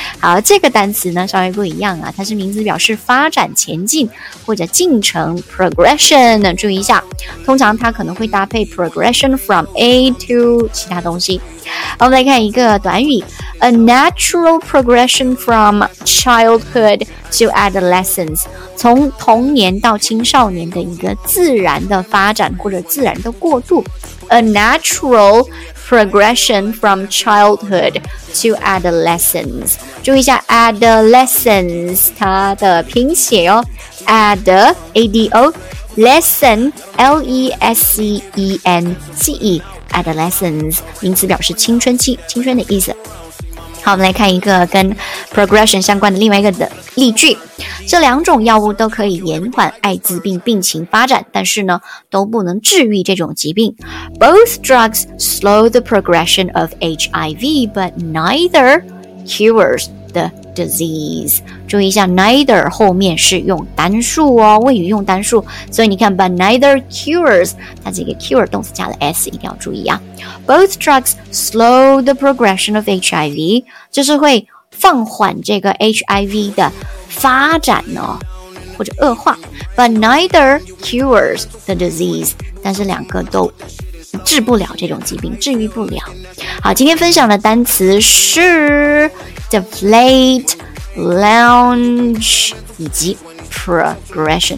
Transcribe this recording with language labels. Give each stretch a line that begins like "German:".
Chinese: 好，这个单词呢稍微不一样啊，它是名词表示发展前进或者进程 progression， 注意一下，通常它可能会搭配 progression from A to 其他东西。好，我们来看一个短语，
English: A natural progression from childhood to adolescence，
Chinese: 从童年到青少年的一个自然的发展或者自然的过渡。
English: A natural progression from childhood to adolescence，
Chinese: 注意一下 adolescence 它的拼写哦， ad ado lesson lesence adolescence， 名词表示青春期，青春的意思。好，我们来看一个跟 progression 相关的另外一个的例句，这两种药物都可以延缓艾滋病病情发展，但是呢都不能治愈这种疾病。
English: Both drugs slow the progression of HIV but neither cures the disease，
Chinese: 注意一下 neither 后面是用单数哦，谓语用单数，所以你看
English: but neither cures，
Chinese: 它这个 cure 动词加了 s， 一定要注意啊。
English: Both drugs slow the progression of HIV，
Chinese: 就是会放缓这个 HIV 的发展哦，或者恶化。
English: But neither cures the disease，
Chinese: 但是两个都治不了这种疾病，治愈不了。好，今天分享的单词是 deflate, lounge 以及 progression。